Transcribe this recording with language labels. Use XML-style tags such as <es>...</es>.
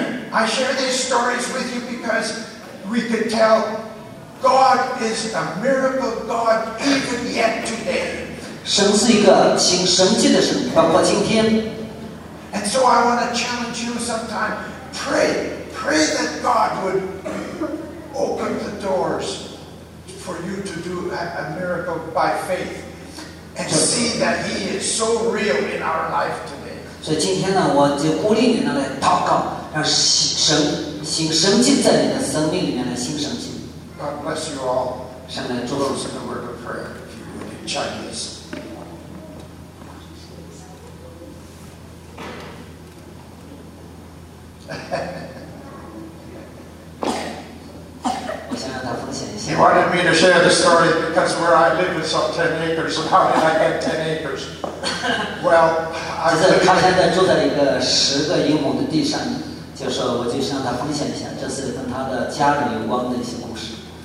<en>I share these stories with you because we could tell God is a miracle God even yet today.</en> <zh>神是一个行神迹的神，包括今天。</zh> <en>And so I want to challenge you sometime. Pray that God would open the doors for you to do a miracle by faith and see that He is so real in our life today.</en> <zh>所以今天呢，我就鼓励你呢来祷告。让神行神迹在你的生命里面来行神迹。</zh> <en>God bless you all. Close in the word of prayer, if you would, in Chinese.</en> <zh>我想让他奉献一下。</zh> <en>He wanted me to share the story because where I live is some 10 acres, and how did I get 10 acres? Well, I live.</en> <zh>就是他现在住在一个10个英亩的地上。就是我就向他分享一下，这是跟他的家人有关的一些故事。</zh>